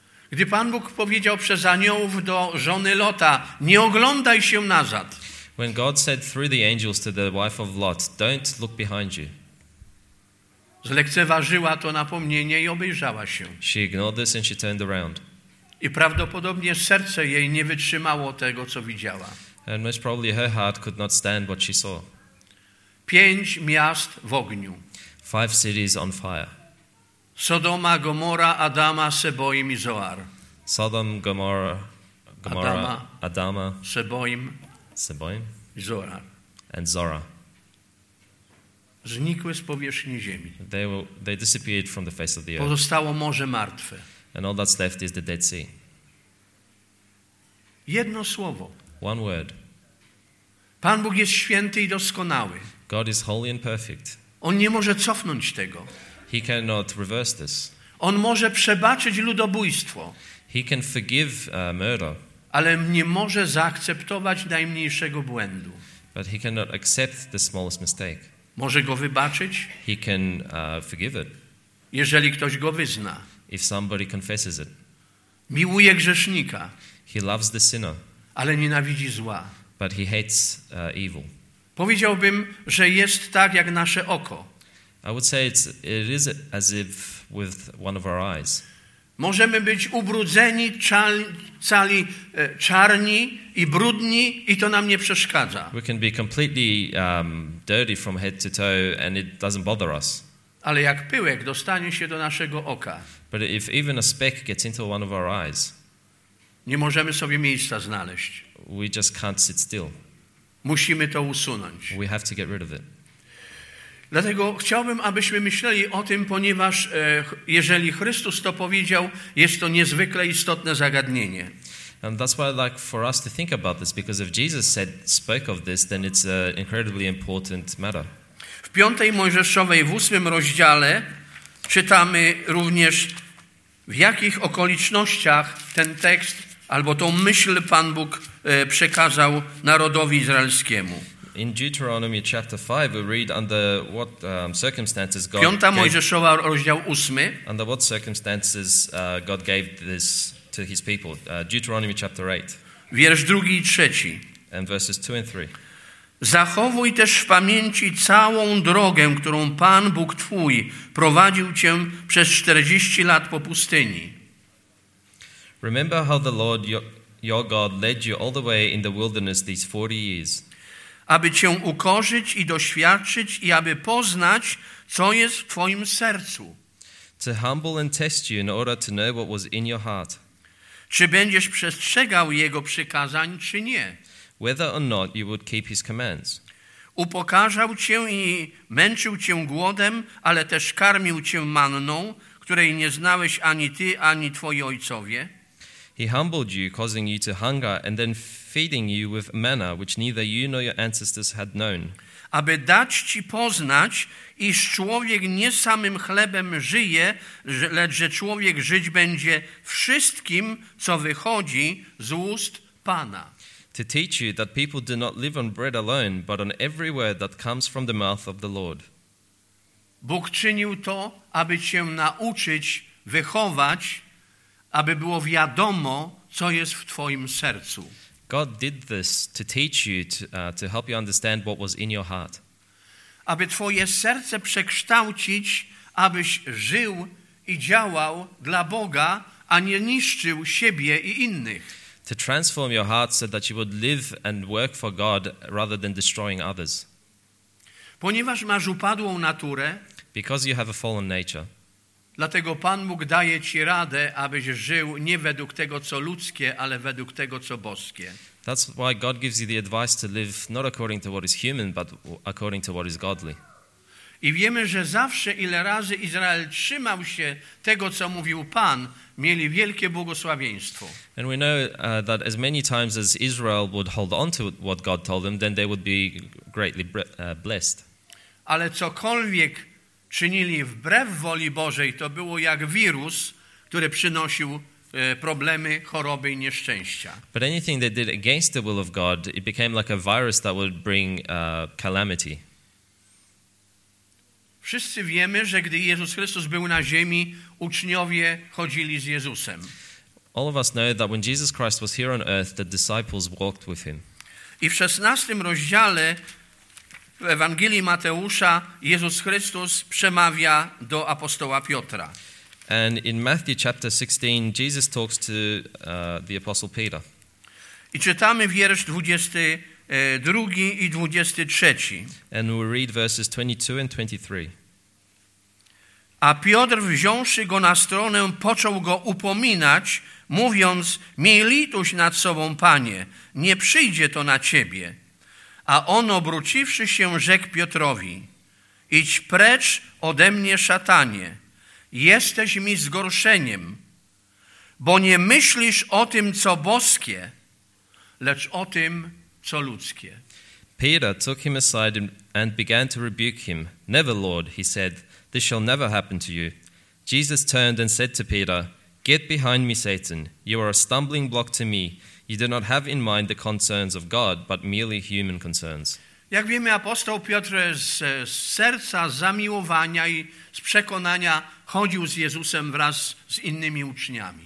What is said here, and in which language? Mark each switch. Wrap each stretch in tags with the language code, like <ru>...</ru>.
<pl>Gdy Pan Bóg powiedział przez aniołów do żony Lota, nie oglądaj się nazad.</pl> <en>When God said through the angels to the wife of Lot, don't look behind you.</en> <pl>Zlekceważyła to napomnienie i obejrzała się.</pl> <en>She ignored this and she turned around.</en> <pl>I prawdopodobnie serce jej nie wytrzymało tego, co widziała.</pl> <en>And most probably her heart could not stand what she saw.</en> <pl>Pięć miast w ogniu.</pl> <en>Five cities on fire.</en> <pl>Sodoma, Gomora, Adama, Seboim i Zoar.</pl> <en>Sodom, Gomora, Adama,</en> <pl>Seboim i Zoar.</pl> <en>And Zora.</en> <pl>Znikły z powierzchni ziemi.</pl> <en>They disappeared from the face of the earth.</en> <pl>Pozostało morze martwe.</pl> <en>And all that's left is the Dead Sea.</en> <pl>Jedno słowo.</pl> <en>One word.</en> <pl>Pan Bóg jest święty i doskonały.</pl> <en>God is holy and perfect.</en> <pl>On nie może cofnąć tego.</pl> <en>He cannot reverse this.</en> <pl>On może przebaczyć ludobójstwo.</pl> <en>He can forgive murder.</en> <pl>Ale nie może zaakceptować najmniejszego błędu.</pl> <en>But he cannot accept the smallest mistake.</en> <pl>Może go wybaczyć?</pl> <en>He can forgive it.</en> <pl>Jeżeli ktoś go wyzna.</pl> <en>If somebody confesses it.</en> <pl>Miłuje grzesznika.</pl> <en>He loves the sinner.</en> <pl>Ale nienawidzi zła.</pl> <en>But he hates evil.</en> <pl>Powiedziałbym, że jest tak jak nasze oko.</pl> <en>I would say it is as if with one of our eyes.</en> <pl>Możemy być ubrudzeni, cali czarni i brudni i to nam nie przeszkadza.</pl> <en>We can be completely dirty from head to toe and it doesn't bother us.</en> <pl>Ale jak pyłek dostanie się do naszego oka.</pl> <en>But if even a speck gets into one of our eyes.</en> <pl>Nie możemy sobie miejsca znaleźć.</pl> <en>We just can't sit still.</en> <pl>Musimy to usunąć.</pl> <en>We have to get rid of it.</en> <pl>Dlatego chciałbym, abyśmy myśleli o tym, ponieważ jeżeli Chrystus to powiedział, jest to niezwykle istotne zagadnienie.</pl> <en>And that's why I'd like for us to think about this, because if Jesus spoke of this, then it's an incredibly important matter.</en> <pl>W 5 Mojżeszowej, w 8 rozdziale, czytamy również, w jakich okolicznościach ten tekst albo tą myśl Pan Bóg przekazał narodowi izraelskiemu.</pl> <en>In Deuteronomy chapter 5 we read under what circumstances God</en> <pl>Piąta Mojżeszowa, rozdział 8.</pl> <en>Under what circumstances God gave this to his people. Deuteronomy chapter 8.</en> <pl>Wiersz 2 i 3.</pl> <en>And verses 2 and 3.</en> <pl>Zachowuj też w pamięci całą drogę, którą Pan Bóg twój prowadził cię przez 40 lat po pustyni.</pl> <en>Remember how the Lord your God led you all the way in the wilderness these 40 years.</en> <pl>Aby cię ukorzyć i doświadczyć i aby poznać, co jest w twoim sercu.</pl> <en>To humble and test you in order to know what was in your heart.</en> <pl>Czy będziesz przestrzegał jego przykazań, czy nie?</pl> <en>Whether or not you would keep his commands.</en> <pl>Upokarzał cię i męczył cię głodem, ale też karmił cię manną, której nie znałeś ani ty, ani twoi ojcowie.</pl> <en>He humbled you, causing you to hunger, and then feeding you with manna, which neither you nor your ancestors had known.</en> <pl>Aby dać ci poznać, iż człowiek nie samym chlebem żyje, lecz że człowiek żyć będzie wszystkim, co wychodzi z ust Pana.</pl> <en>To teach you that people do not live on bread alone, but on every word that comes from the mouth of the Lord.</en> <pl>Bóg czynił to, aby cię nauczyć, wychować, aby było wiadomo, co jest w twoim sercu.</pl> <en>God did this to teach you, to help you understand what was in your heart.</en> <pl>Aby twoje serce przekształcić, abyś żył i działał dla Boga, a nie niszczył siebie i innych.</pl> <en>To transform your heart so that you would live and work for God rather than destroying others.</en> <pl>Ponieważ masz upadłą naturę,</pl> <en>because you have a fallen nature.</en> <pl>Dlatego Pan Bóg daje ci radę, abyś żył nie według tego, co ludzkie, ale według tego, co boskie.</pl> <en>That's why God gives you the advice to live not according to what is human, but according to what is godly.</en> <pl>I wiemy, że zawsze, ile razy Izrael trzymał się tego, co mówił Pan, mieli wielkie błogosławieństwo.</pl> <en>And we know that as many times as Israel would hold on to what God told them, then they would be greatly blessed.</en> <pl>Ale cokolwiek czynili wbrew woli Bożej, to było jak wirus, który przynosił problemy, choroby i nieszczęścia.</pl> <en>But anything they did against the will of God, it became like a virus that would bring calamity.</en> <pl>Wszyscy wiemy, że gdy Jezus Chrystus był na ziemi, uczniowie chodzili z Jezusem.</pl> <en>All of us know that when Jesus Christ was here on earth, the disciples walked with him.</en> <pl>I w 16 rozdziale w Ewangelii Mateusza Jezus Chrystus przemawia do apostoła Piotra.</pl> <en>And in Matthew chapter 16 Jesus talks to the apostle Peter.</en> <pl>I czytamy wiersz 22 i 23.</pl> <en>And we read verses 22 and 23.</en> <pl>A Piotr, wziąwszy go na stronę, począł go upominać, mówiąc: miej litość nad sobą, Panie, nie przyjdzie to na Ciebie. A on, obróciwszy się, rzekł Piotrowi: idź precz ode mnie, szatanie, jesteś mi zgorszeniem, bo nie myślisz o tym, co boskie, lecz o tym, co ludzkie.</pl> <en>Peter took him aside and began to rebuke him. Never, Lord, he said, this shall never happen to you. Jesus turned and said to Peter, get behind me, Satan. You are a stumbling block to me. You do not have in mind the concerns of God, but merely human concerns.</en> <pl>Jak wiemy, apostoł Piotr z serca, z zamiłowania i z przekonania chodził z Jezusem wraz z innymi uczniami.</pl>